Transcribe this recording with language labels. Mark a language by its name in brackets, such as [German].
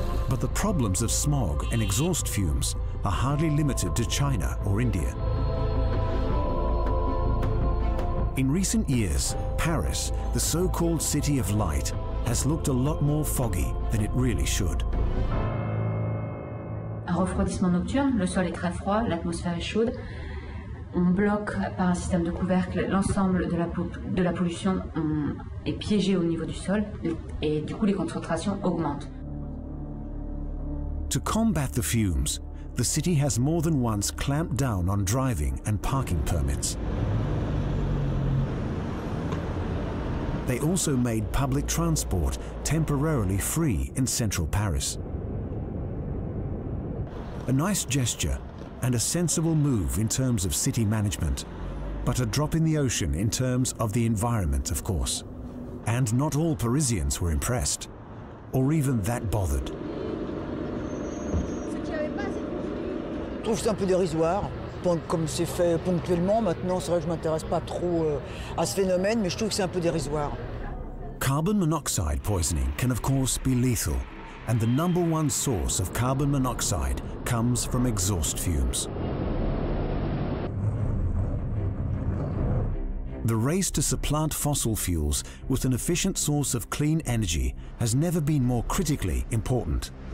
[English] But the problems of smog and exhaust fumes are hardly limited to China or India. In recent years, Paris, the so-called city of light, has looked a lot more foggy than it really should. [French] Un refroidissement nocturne, le sol est très froid, l'atmosphère est chaude. On bloque par un système de couvercle l'ensemble de la pollution est piégé au niveau du sol et du coup les concentrations augmentent. [English] To combat the fumes, the city has more than once clamped down on driving and parking permits. They also made public transport temporarily free in central Paris. A nice gesture and a sensible move in terms of city management, but a drop in the ocean in terms of the environment, of course. And not all Parisians were impressed, or even that bothered. I think it's a bit dérisoire. [French] Comme c'est fait ponctuellement, maintenant c'est vrai que je m'intéresse pas trop à ce phénomène, mais je trouve que c'est un peu dérisoire. [English] Carbon monoxide poisoning can of course be lethal, and the number one source of carbon monoxide comes from exhaust fumes. The race to supplant fossil fuels with an efficient source of clean energy has never been more critically important.